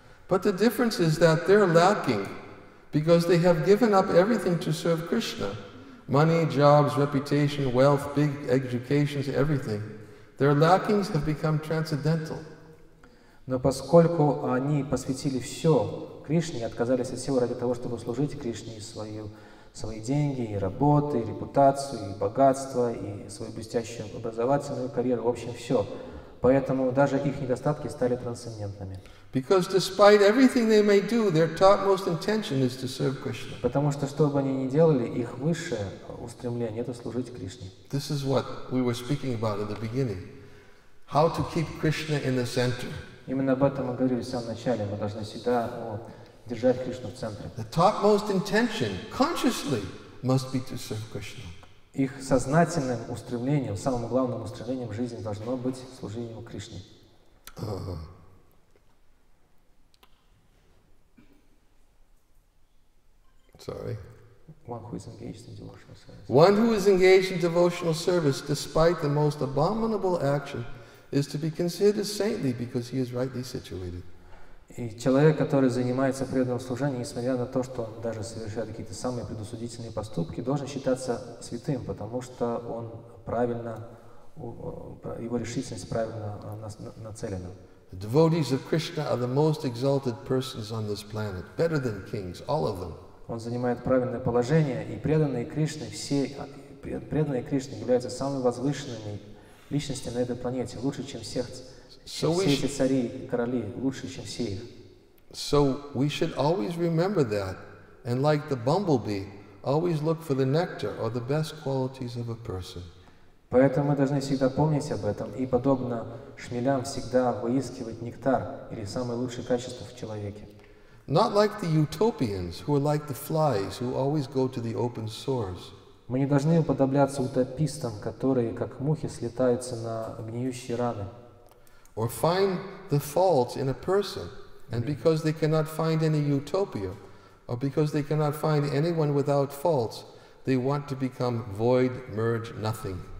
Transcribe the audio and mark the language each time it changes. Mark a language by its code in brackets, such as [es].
[en] But the difference is that they're lacking because they have given up everything to serve Krishna. Money, jobs, reputation, wealth, big educations, everything. Their lackings have become transcendental. [ru] Но поскольку они посвятили все Кришне, отказались от всего ради того, чтобы служить Кришне и свои деньги, и работы, и репутацию, и богатство, и свою блестящую образовательную карьеру, в общем, все. Поэтому даже их недостатки стали трансцендентными. [en] Because despite everything they may do, their topmost intention is to serve Krishna. [ru] Потому что, что бы они ни делали, их высшее устремление — это служить Кришне. [en] This is what we were speaking about in the beginning. How to keep Krishna in the center? [ru] Именно об этом мы говорили в самом начале. Мы должны всегда держать Кришну в центре. [en] The topmost intention, consciously, must be to serve Krishna. [ru] Их сознательным устремлением, самым главным устремлением жизни должно быть служение Кришне. [en] Sorry. One who is engaged in devotional service. One who is engaged in devotional service, despite the most abominable action, is to be considered saintly because he is rightly situated. [ru] И человек, который занимается преданным служением, несмотря на то, что он даже совершает какие-то самые предосудительные поступки, должен считаться святым, потому что он правильно, его решительность правильно нацелена. [en] Devotees of Krishna are the most exalted persons on this planet, better than kings, all of them. [ru] Он занимает правильное положение, и преданные Кришне, все преданные Кришне являются самыми возвышенными личностями на этой планете, лучше, чем всех. So все эти цари и короли лучше, чем все их. [en] So we should always remember that, and like the bumblebee, always look for the nectar or the best qualities of a person. [ru] Поэтому мы должны всегда помнить об этом и, подобно шмелям, всегда выискивать нектар или самые лучшие качества в человеке. [en] Not like the utopians, who are like the flies, who always go to the open source. [ru] Мы не должны уподобляться утопистам, которые, как мухи, слетаются на гниющие раны. [en] Or find the faults in a person, and because they cannot find any utopia, or because they cannot find anyone without faults, they want to become void, merge, nothing.